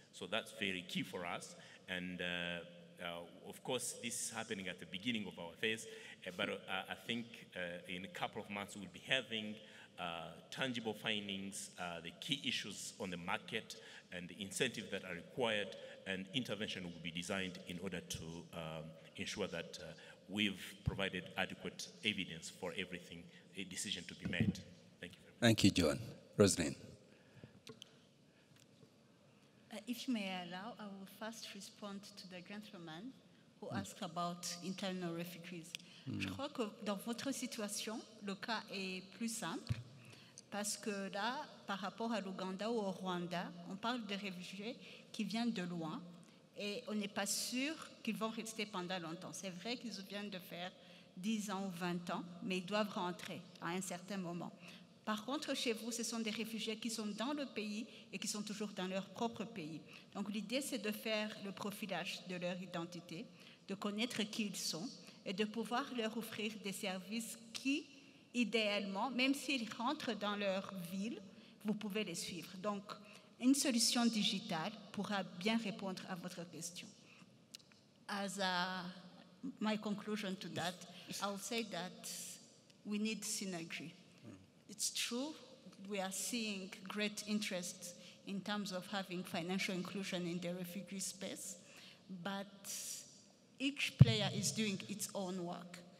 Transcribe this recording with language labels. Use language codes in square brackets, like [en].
[en] So that's very key for us. And of course, this is happening at the beginning of our phase, but I think in a couple of months we'll be having tangible findings, the key issues on the market, and the incentives that are required, and intervention will be designed in order to ensure that we've provided adequate evidence for everything, a decision to be made. Thank you very much. Thank you, John. Roselyne. If you may allow, I will first respond to the gentleman who asked about internal refugees. [fr] Je crois que dans votre situation, le cas est plus simple parce que là, par rapport à l'Ouganda ou au Rwanda, on parle de réfugiés qui viennent de loin et on n'est pas sûr qu'ils vont rester pendant longtemps. C'est vrai qu'ils viennent de faire 10 ans ou 20 ans, mais ils doivent rentrer à un certain moment. Par contre, chez vous, ce sont des réfugiés qui sont dans le pays et qui sont toujours dans leur propre pays. Donc l'idée, c'est de faire le profilage de leur identité, de connaître qui ils sont et de pouvoir leur offrir des services qui, idéalement, même s'ils rentrent dans leur ville, vous pouvez les suivre. Donc une solution digitale pourra bien répondre à votre question. [en] As a, my conclusion to that, I'll say that we need synergy. It's true, we are seeing great interest in terms of having financial inclusion in the refugee space, but each player is doing its own work.